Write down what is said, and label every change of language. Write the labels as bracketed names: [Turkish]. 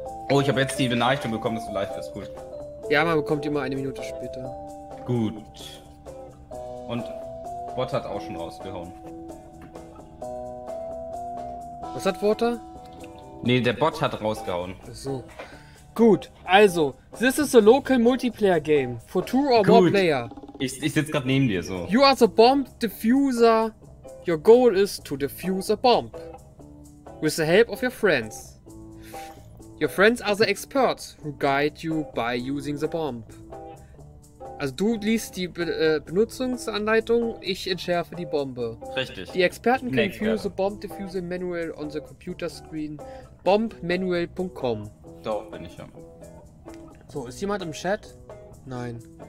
[German] Oh, ich habe jetzt die Benachrichtigung bekommen, dass du live bist. Cool. Ja, man bekommt die immer eine Minute später. Gut. Und Bot hat auch schon rausgehauen. Was hat Water? Nee, der Bot hat rausgehauen. Ach so. Gut, also, [English] this is a local multiplayer game for two or more player. [German] Ich sitze gerade neben dir so. [English] You are the bomb diffuser. Your goal is to defuse a bomb. With the help of your friends. Your friends are the experts who guide you by using the bomb. [German] Also du liest die Benutzungsanleitung, ich entschärfe die Bombe. Richtig. Die Experten können [English] diffuse bomb diffuse manual on the computer screen bombmanual.com. [German] Doch, bin ich ja. So, ist jemand im Chat? Nein.